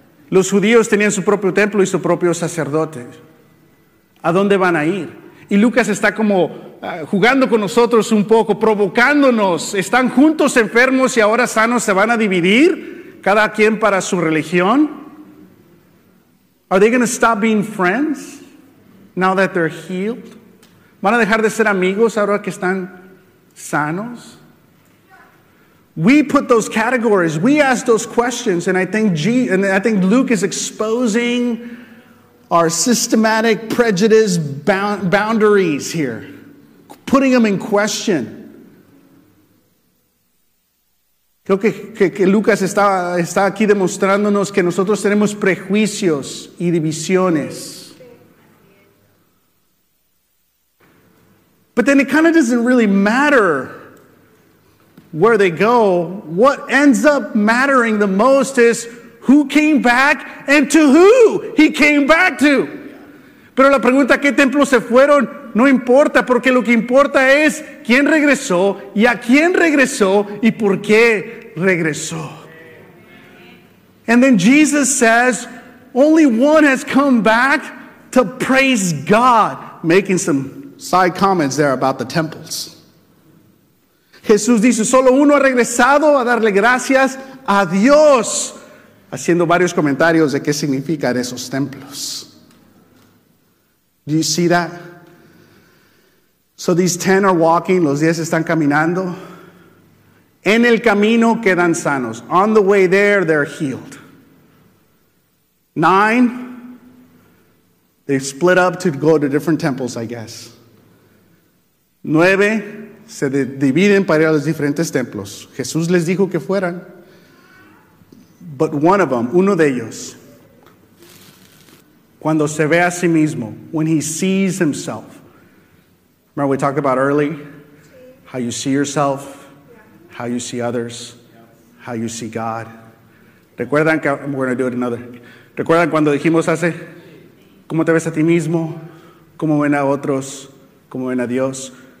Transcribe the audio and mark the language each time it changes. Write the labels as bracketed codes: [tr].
[es] Los judíos tenían su propio templo y su propio sacerdote. ¿A dónde van a ir? Y Lucas está como jugando con nosotros un poco, provocándonos. Están juntos enfermos y ahora sanos, se van a dividir, cada quien para su religión. [en] Are they going to stop being friends now that they're healed? [es] ¿Van a dejar de ser amigos ahora que están sanos? [en] We put those categories, we ask those questions, and I think Luke is exposing our systematic prejudice boundaries here, putting them in question. [es] Creo que Lucas está aquí demostrándonos que nosotros tenemos prejuicios y divisiones. [en] But then it kind of doesn't really matter where they go. What ends up mattering the most is who came back and to who he came back to. [es] Pero la pregunta, ¿qué templo se fueron? No importa, porque lo que importa es quién regresó y a quién regresó y por qué regresó. [en] And then Jesus says, only one has come back to praise God. Making some side comments there about the temples. [es] Jesús dice, solo uno ha regresado a darle gracias a Dios. Haciendo varios comentarios de qué significan esos templos. [en] Do you see that? So these 10 are walking, [es] los 10 están caminando. En el camino quedan sanos. [en] On the way there, they're healed. 9, they split up to go to different temples, I guess. [es] 9, se dividen para ir a los diferentes templos. Jesús les dijo que fueran. [en] But one of them, [es] uno de ellos, cuando se ve a sí mismo, [en] when he sees himself. Remember we talked about early, how you see yourself, how you see others, how you see God. [es] Recuerdan que, [en] we're going to do it another. [es] Recuerdan cuando dijimos hace, cómo te ves a ti mismo, cómo ven a otros, cómo ven a Dios.